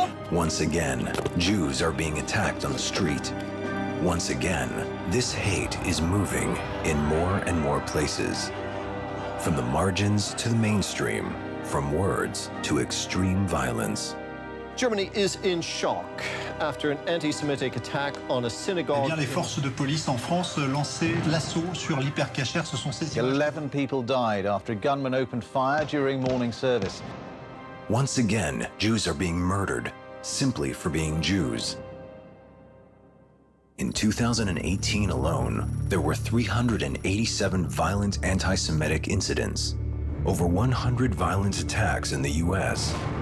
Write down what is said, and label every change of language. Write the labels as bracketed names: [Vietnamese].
[English] Once again, Jews are being attacked on the street. Once again, this hate is moving in more and more places. From the margins to the mainstream, from words to extreme violence. Germany is in shock after an anti-Semitic attack on a synagogue. [French] Eh bien, les forces de police en France lancent l'assaut sur l'hypercacher. Se sont saisis. [English] 11 people died after a gunman opened fire during morning service. Once again, Jews are being murdered simply for being Jews. In 2018 alone, there were 387 violent anti-Semitic incidents, over 100 violent attacks in the U.S.